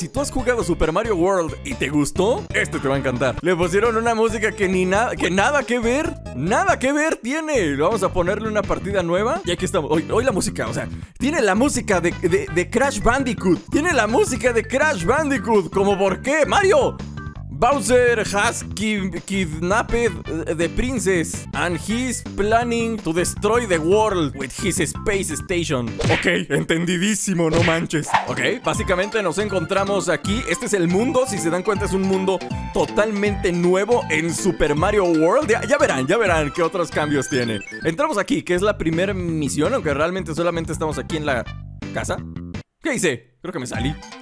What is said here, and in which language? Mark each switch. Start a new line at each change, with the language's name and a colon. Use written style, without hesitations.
Spanish: Si tú has jugado Super Mario World y te gustó, este te va a encantar. Le pusieron una música que ni nada, que nada que ver, nada que ver tiene. Vamos a ponerle una partida nueva. Y aquí estamos, hoy la música, o sea, tiene la música de Crash Bandicoot. Tiene la música de Crash Bandicoot, ¿cómo por qué? ¡Mario!
English: Bowser has kidnapped the princess and he's planning to destroy the world with his space station.
Spanish: Ok, entendidísimo, no manches. Ok, básicamente nos encontramos aquí. Este es el mundo, si se dan cuenta es un mundo totalmente nuevo en Super Mario World. Ya verán qué otros cambios tiene. Entramos aquí, que es la primera misión, aunque realmente solamente estamos aquí en la casa. ¿Qué hice? Creo que me salí.